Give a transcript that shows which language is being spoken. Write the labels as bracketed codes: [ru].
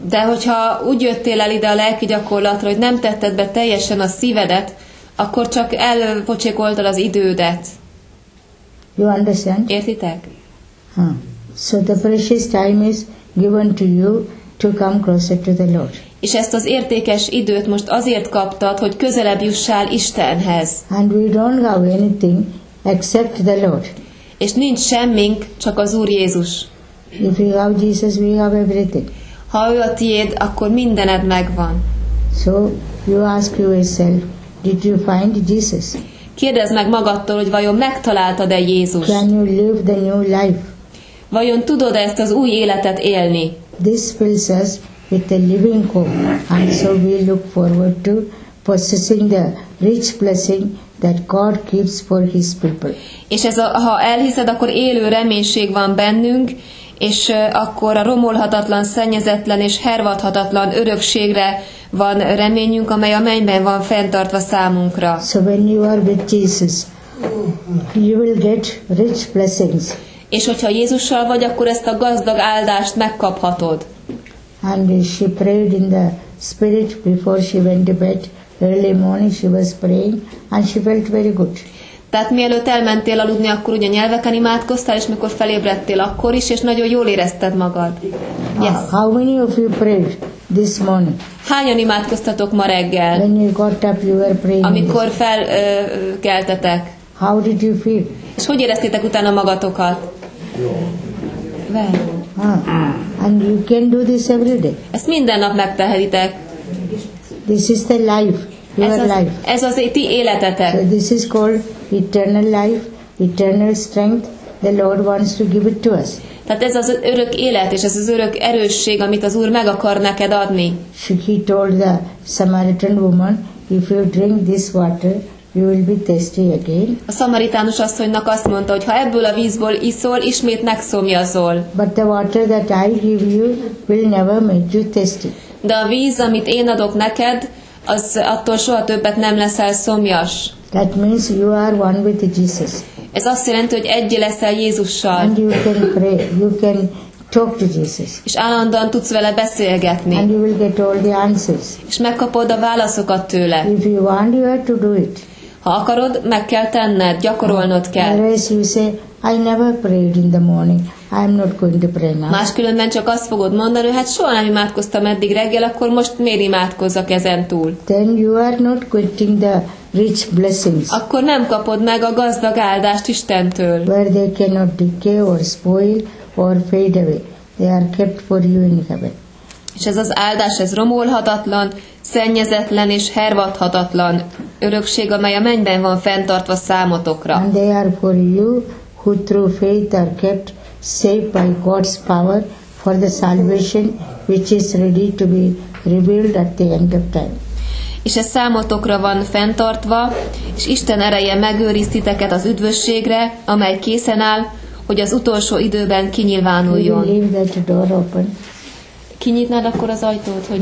[hu] De hogyha úgy jöttél el ide a lelki gyakorlatra, hogy nem tetted be teljesen a szívedet, akkor csak elpocsékoltad az idődet. [en] You understand? [hu] Értitek? [en] So the precious time is given to you to come closer to the Lord. [hu] És ezt az értékes időt most azért kaptad, hogy közelebb jussál Istenhez. [en] And we don't have anything except the Lord. [hu] És nincs semmink, csak az Úr Jézus. [en] If we have Jesus, we have everything. [hu] Ha ő a tiéd, akkor mindened megvan. [en] So you ask yourself, did you find Jesus? [hu] Kérdezd meg magadtól, hogy vajon megtaláltad-e Jézus? [en] Can you live the new life? [hu] Vajon tudod ezt az új életet élni? [en] This fills us with a living hope, and so we look forward to possessing the rich blessing that God gives for his people. [hu] És ez ha elhiszed, akkor élő reménység van bennünk, és akkor a romolhatatlan, szennyezetlen és hervadhatatlan örökségre van reményünk, amely a mennyben van fenntartva számunkra. [en] So when you are with Jesus, you will get rich blessings. [hu] És hogyha Jézussal vagy, akkor ezt a gazdag áldást megkaphatod. [en] And she prayed in the spirit before she went to bed. Early morning she was praying and she felt very good. [hu] Tehát mielőtt elmentél aludni, akkor ugye nyelveken imádkoztál, és mikor felébredtél, akkor is, és nagyon jól érezted magad. [en] Yes. How many of you prayed this morning? [hu] Hányan imádkoztatok ma reggel? [en] When you got up, you were praying. [hu] Amikor felkeltetek? [en] How did you feel? [hu] És hogy éreztétek utána magatokat? [en] Well. And you can do this every day. [hu] Ezt minden nap megtehetitek. [en] This is the life. [hu] Ez az ti életetek. [en] So this is called eternal life, eternal strength. The Lord wants to give it to us. [hu] Tehát ez az örök élet és ez az örök erősség, amit az Úr meg akar neked adni. [en] So he told the Samaritan woman, if you drink this water, you will be thirsty again. [hu] A szamaritánus asszonynak azt mondta, hogy ha ebből a vízből iszol, ismét megszomjazol. [en] But the water that I give you will never make you thirsty. [hu] De a víz, amit én adok neked, az attól soha többet nem leszel szomjas. [en] That means you are one with Jesus. [hu] Ez azt jelenti, hogy egy leszel Jézussal. [en] And you can pray, you can talk to Jesus. [hu] És állandóan tudsz vele beszélgetni. [en] And you will get all the answers. [hu] És megkapod a válaszokat tőle. [en] If you want, you have to do it. [hu] Ha akarod, meg kell tenned, gyakorolnod kell. [en] Otherwise you say, I never prayed in the morning. I'm not going to pray now. [hu] Máskülönben csak azt fogod mondani, hogy hát soha nem imádkoztam eddig reggel, akkor most miért imádkozzak ezen túl? [en] Then you are not getting the rich blessings. [hu] Akkor nem kapod meg a gazdag áldást Istentől. [en] Where they cannot decay or spoil or fade away. They are kept for you in heaven. [hu] És ez az áldás, ez romolhatatlan, szennyezetlen és hervadhatatlan örökség, amely a mennyben van fenntartva számotokra. [en] And they are for you who through faith are kept saved by God's power for the salvation which is ready to be revealed at the end of time. [hu] És ez számotokra van fenntartva, és Isten ereje megőriz titeket az üdvösségre, amely készen áll, hogy az utolsó időben kinyilvánuljon. [en] Can you leave that door open? [hu] Kinyitnád akkor az ajtót, hogy